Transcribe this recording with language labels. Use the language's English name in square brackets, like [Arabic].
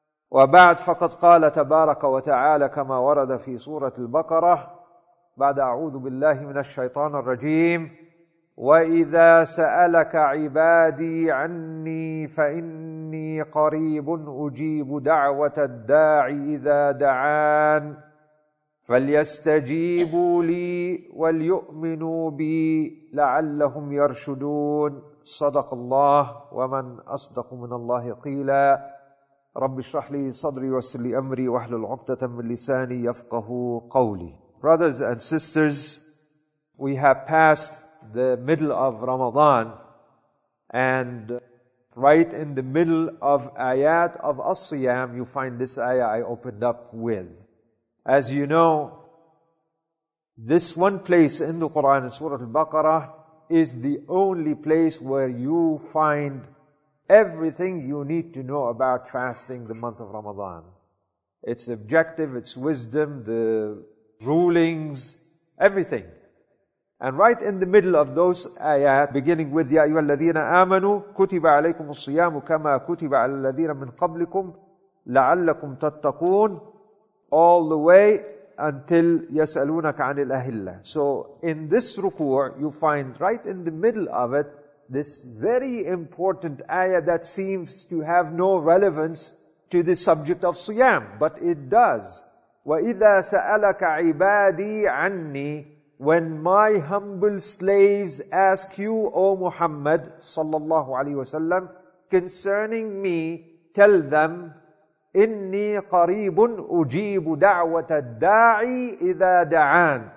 [Arabic] وبعد، فقد قال تبارك وتعالى كما ورد في سورة البقرة بعد: أعوذ بالله من الشيطان الرجيم، وإذا سألك عبادي عني فإني قريب أجيب دعوة الداعي إذا دعان فليستجيبوا لي وليؤمنوا بي لعلهم يرشدون. صدق الله، ومن أصدق من الله قيلا. رب اشرح لي صدري ويسر لي أمري واحلل عقدة من لساني يفقهوا قولي. [English] Brothers and sisters, we have passed the middle of Ramadan, and right in the middle of ayat of As-Siyam, you find this ayah I opened up with. As you know, this one place in the Quran, in Surah Al-Baqarah, is the only place where you find everything you need to know about fasting the month of Ramadan. Its objective, its wisdom, the rulings, everything. And right in the middle of those ayat, beginning with [Arabic] يَا أَيُّهَا الَّذِينَ آمَنُوا كُتِبَ عَلَيْكُمُ الصِّيَامُ كَمَا كُتِبَ عَلَى الَّذِينَ مِنْ قَبْلِكُمْ لَعَلَّكُمْ تَتَّقُونَ, [English] all the way until [Arabic] يَسْأَلُونَكَ عَنِ الْأَهِلَّةِ. [English] So in this ruku' you find right in the middle of it this very important ayah that seems to have no relevance to the subject of siyam, but it does. [Arabic] وَإِذَا سَأَلَكَ عِبَادِي عَنِّي, [English] when my humble slaves ask you, O Muhammad sallallahu alaihi wasallam, concerning me, tell them, [Arabic] inni qareebun ujibu da'wata da'i idha da'an.